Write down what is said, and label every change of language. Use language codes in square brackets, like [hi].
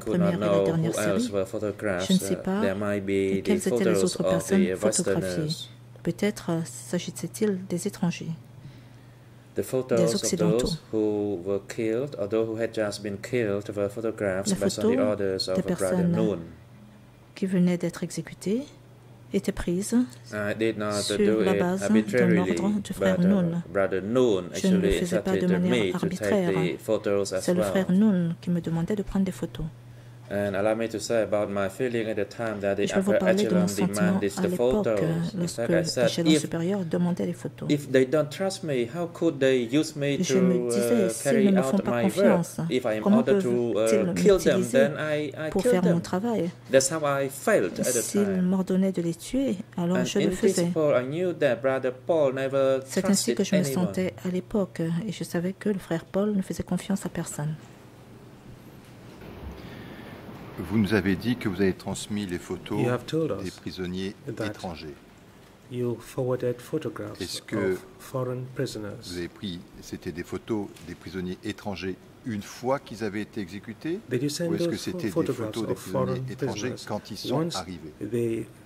[en] could not know who else were photographed. [fr] Je ne sais pas [en] there might be the photos of the Westerners. [fr] Peut-être s'agissait-il des étrangers, [en] the photos [fr] des occidentaux. [en] Of those who were killed, or those who had just been killed, were photographed by some of the orders of Brother Noon. [fr] La photo des personnes qui venaient d'être exécutées était prise sur la base de l'ordre du frère Noon. [en] Brother Noon [fr] je ne le faisais pas de manière arbitraire. C'est le frère Noon qui me demandait de prendre des photos. [en] And allow me to say about my feeling at the time that the echelon demanded the photos. If they don't trust me, how could they use me to carry out my work? If I am ordered to kill them, then I kill them. That's how I felt at the time. [fr] S'ils m'ordonnaient de les tuer, alors je le faisais. [en] And in principle, I knew that Brother Paul never trusted anyone. [fr] C'est ainsi que je me sentais à l'époque, et je savais que le frère Paul ne faisait confiance à personne. Vous nous avez dit que vous avez transmis les photos des prisonniers étrangers. Est-ce que vous avez pris, c'était des photos des prisonniers étrangers une fois qu'ils avaient été exécutés, ou est-ce que c'était des photos des prisonniers étrangers quand ils sont arrivés?